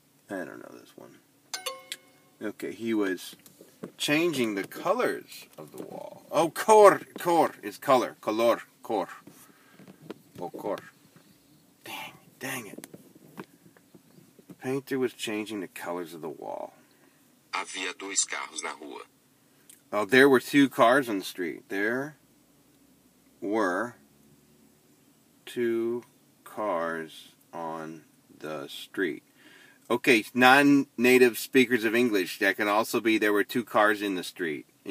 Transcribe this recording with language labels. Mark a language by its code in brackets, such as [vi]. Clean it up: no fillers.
[en] I don't know this one. Okay, he was changing the colors of the wall. Oh, cor is color. Color, cor. Oh, cor. Dang it. Painter was changing the colors of the wall. [pt] Havia dois carros na rua. [en] Oh, there were two cars on the street. There were two cars on the street. Okay, non-native speakers of English, that can also be there were two cars in the street.